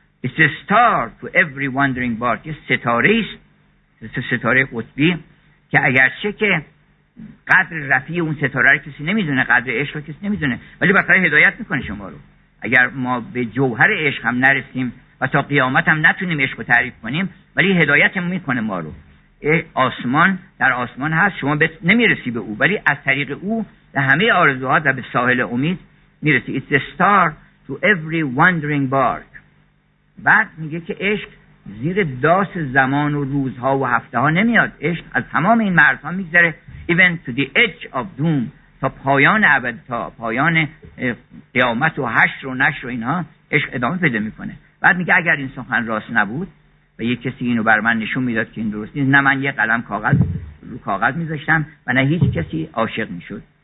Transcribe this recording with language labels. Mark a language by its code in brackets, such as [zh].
[en] It's a star to every wandering bark، [fa] یه ستاره است، ستاره قطبی، که اگرچه که قدر رفیع اون ستاره رو کسی نمیدونه، قدر عشق رو کسی نمیدونه، ولی بالاخره هدایت میکنه شما رو. اگر ما به جوهر عشق هم نرسیم و تا قیامت هم نتونیم عشق رو تعریف کنیم، ولی هدایت میکنه ما رو. آسمان در آسمان هست، شما نمیرسی به او، ولی از طریق او به همه آرزوهات و به ساحل امید میرسی. [en] It's a star to every wandering bark. [fa] بعد میگه که عشق زیر داس زمان و روزها و هفته ها نمیاد، عشق از تمام این مرزها میگذره. [en] Even to the edge of doom، [fa] تا پایان ابد، تا پایان قیامت و حشر و نشر و اینها عشق ادامه پیدا میکنه. بعد میگه اگر این سخن راست نبود و یک کسی اینو بر من نشون میداد که این درست نیست، نه من یه قلم کاغذ رو کاغذ میذاشتم و نه هیچ کسی عاشق میشد.